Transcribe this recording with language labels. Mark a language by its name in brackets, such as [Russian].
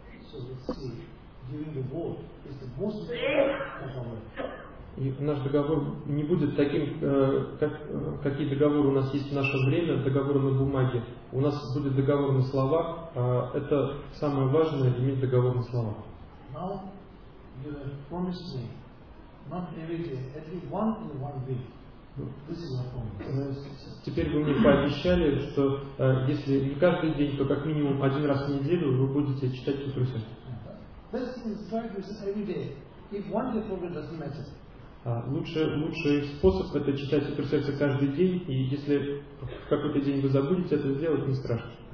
[English] So let's see, giving the word is the most important of all. [Russian] И наш договор не будет таким, какие договоры у нас есть в наше время, договоры на бумаге. У нас будет договор на словах. Это самое важное, иметь договор на словах. [English] Now you have promised me not every day, every one in one week. This is my promise. [Russian] Теперь вы мне пообещали, что если не каждый день, то как минимум один раз в неделю вы будете читать сутру сердца. [English] This is very important every day. If one day program doesn't matter. [Russian] Лучший способ – это читать Супер Сердце каждый день, и если в какой-то день вы забудете это сделать, не страшно.